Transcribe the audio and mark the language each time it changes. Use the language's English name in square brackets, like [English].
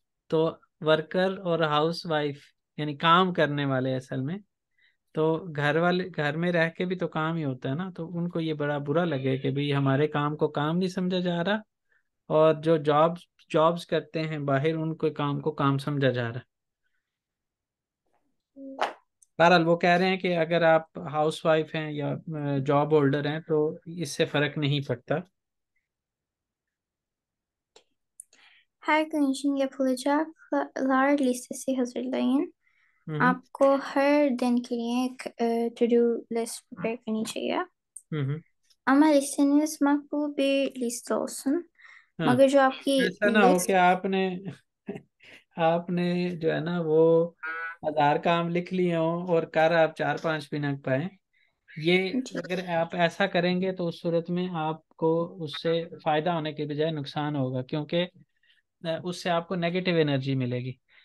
[Hindi] तो वर्कर और हाउसवाइफ यानी काम करने वाले असल में, तो घर वाले घर में रह के भी तो काम ही होता है ना, तो उनको ये बड़ा बुरा लगे कि भाई हमारे काम को काम नहीं समझा जा रहा और जो जॉब्स जॉब्स करते हैं बाहर उनके काम को काम समझा जा रहा है। जी बहरहाल वो कह रहे हैं कि अगर आप हाउसवाइफ हैं या जॉब होल्डर हैं तो इससे फर्क नहीं पड़ता। [Turkish] हर गün için yapılacaklar listesi hazırlayın. [Hindi] आपको हर दिन के लिए एक to-do list prepare करनी चाहिए. [Turkish] ama listeniz makbul bir liste olsun. [Hindi] हाँ, मगर जो आपकी ऐसा ना हो कि [English] list [Hindi] आपने जो है ना वो 1,000 काम लिख लिए हो और कर आप 4-5 भी ना पाए, ये अगर जी आप ऐसा करेंगे तो उस सूरत में आपको उससे फायदा होने के बजाय नुकसान होगा, क्योंकि उससे आपको नेगेटिव एनर्जी मिलेगी।